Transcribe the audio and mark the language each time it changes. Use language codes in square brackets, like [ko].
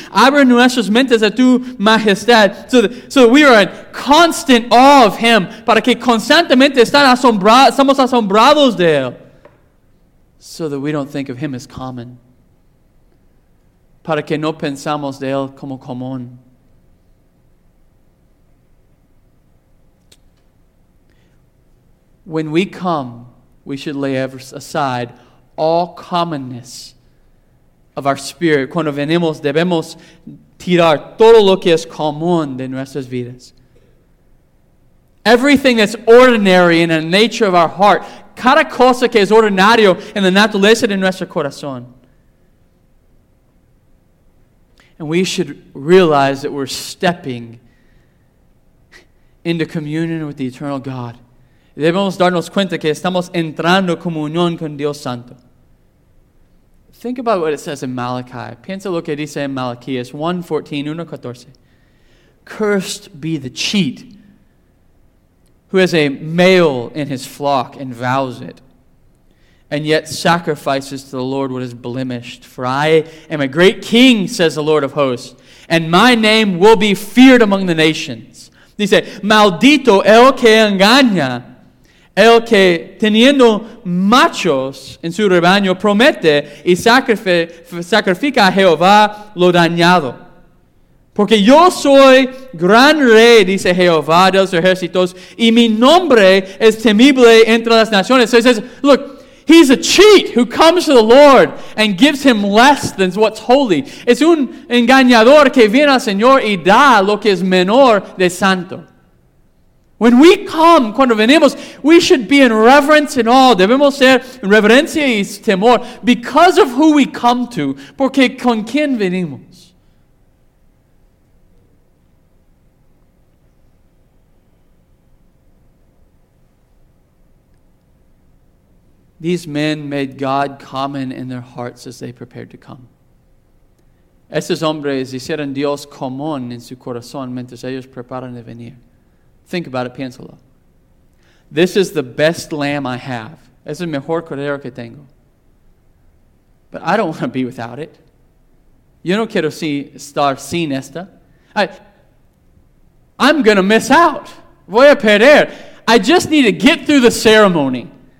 [es] Abre nuestras mentes a tu majestad. [en] So that we are in constant awe of him. [es] Para que constantemente estamos asombrados de él. [en] So that we don't think of him as common. [es] Para que no pensamos de él como común. [en] When we come, we should lay aside all commonness of our spirit. [es] Cuando venimos, debemos tirar todo lo que es común de nuestras vidas. [en] Everything that's ordinary in the nature of our heart, [es] cada cosa que es ordinario en la naturaleza de nuestro corazón. [en] And we should realize that we're stepping into communion with the eternal God. [es] Debemos darnos cuenta que estamos entrando en comunión con Dios Santo. [en] Think about what it says in Malachi. [es] Piensa lo que dice en Malaquías 1:14. [en] Cursed be the cheat who has a male in his flock and vows it, and yet sacrifices to the Lord what is blemished. For I am a great king, says the Lord of hosts, and my name will be feared among the nations. [es] Dice, maldito el que engaña, el que teniendo machos en su rebaño promete y sacrifica a Jehová lo dañado. Porque yo soy gran rey, dice Jehová de los ejércitos, y mi nombre es temible entre las naciones. [en] So he says, look, he's a cheat who comes to the Lord and gives him less than what's holy. [es] Es un engañador que viene al Señor y da lo que es menor de santo. [en] When we come, [es] cuando venimos, [en] we should be in reverence and awe. [es] Debemos ser en reverencia y temor [en] because of who we come to. [es] Porque con quien venimos. [en] These men made God common in their hearts as they prepared to come. [es] Estos hombres hicieron Dios común en su corazón mientras ellos preparan de venir. [en] Think about it, [es] piénsalo. [en] This is the best lamb I have. [es] Es el mejor cordero que tengo. [en] But I don't want to be without it. [es] Yo no quiero estar sin esta. [en] I'm going to miss out. [es] Voy a perder. [en] I just need to get through the ceremony.